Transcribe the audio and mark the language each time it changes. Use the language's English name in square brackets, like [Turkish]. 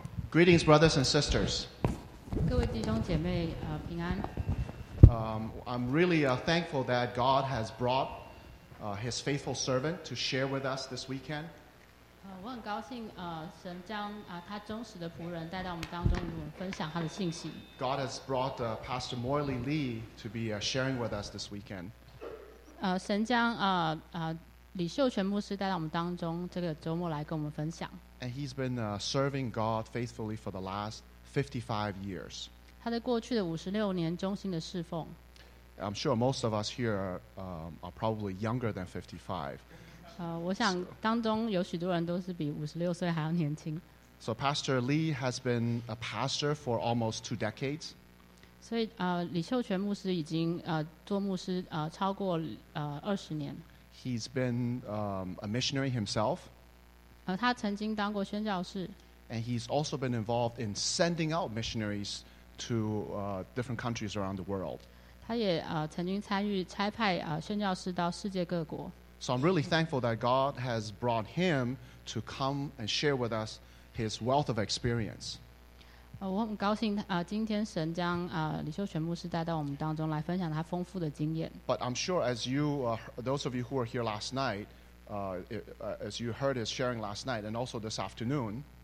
[English] Greetings, brothers and sisters. [Chinese] 各位弟兄姐妹, 平安。 [English] I'm really thankful that God has brought his faithful servant to share with us this weekend. [Chinese] 我很高兴, 神将, 他忠实的仆人带到我们当中与我们分享他的信息。 [English] God has brought Pastor Moily Lee to be sharing with us this weekend. [Chinese] 神将, 李秀全牧师带到我们当中这个周末来跟我们分享。 [English] And he's been serving God faithfully for the last 55 years. [Chinese] 他在过去的56年忠心的侍奉。 [English] I'm sure most of us here are probably younger than 55. [Chinese] 我想当中有许多人都是比56岁还要年轻。 [English] So Pastor Lee has been a pastor for almost 2 decades. [Chinese] 所以, 李秀全牧师已经做牧师超过20年。 [English] He's been a missionary himself. [Chinese] 他曾经当过宣教士。 [English] And he's also been involved in sending out missionaries to different countries around the world. [Chinese] 他也, 曾经参与差派, 宣教士到世界各国。 [English] So I'm really thankful that God has brought him to come and share with us his wealth of experience. [Chinese] 我很高兴, 今天神将, 李秀全牧师带到我们当中来分享他丰富的经验。 [English] But I'm sure as you, those of you who were here last night, as you heard his sharing last night and also this afternoon,